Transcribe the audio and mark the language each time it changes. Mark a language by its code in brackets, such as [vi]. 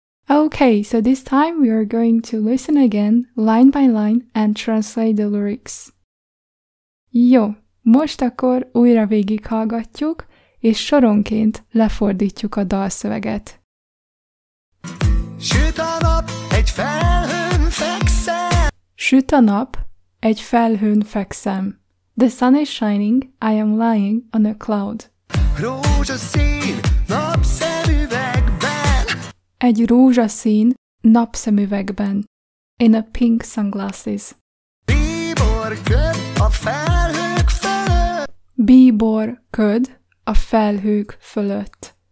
[en] Okay, so this time we are going to listen again, line by line, and translate the lyrics. [hu] Jó, most akkor újra végighallgatjuk, és soronként lefordítjuk a dalszöveget. Süt a nap, egy felhőn fekszem. Süt a nap, egy felhőn fekszem. [en] The sun is shining, I am lying on a cloud. [hu] Rózsaszín, napszemüvegben. Egy rózsaszín, napszemüvegben. [en] In a pink sunglasses. [hu] Bíbor köd a felhők fölött. Bíbor köd a felhők fölött.